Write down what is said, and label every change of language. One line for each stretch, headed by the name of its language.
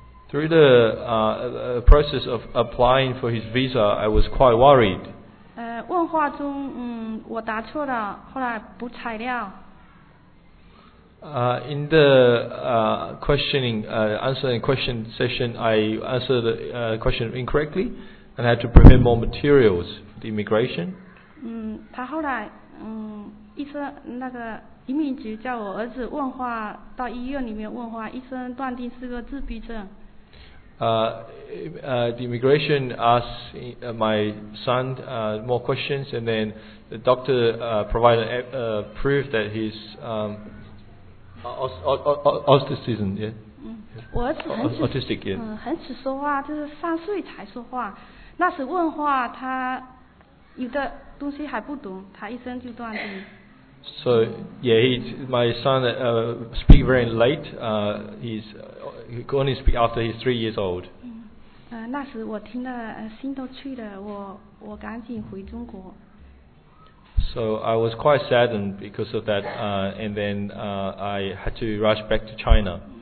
English: Through the process of applying for his visa, I was quite worried.
Chinese: 问话中，我答错了，后来补材料。
English: In the answering question session, I answered the question incorrectly, and I had to prepare more materials for the immigration.
Chinese: 他后来，医生那个移民局叫我儿子问话到医院里面问话，医生断定是个自闭症。
English: The immigration asked my son more questions, and then the doctor provided proof that he's autism. Autistic. Yeah.
Chinese: 很迟说话，就是三岁才说话。那时问话，他有的东西还不懂，他一生就断定。
English: So yeah, my son speak very late. He can only speak after he's 3 years old.
Chinese: 那时我听了心都碎了，我赶紧回中国。
English: So I was quite saddened because of that, and then I had to rush back to China.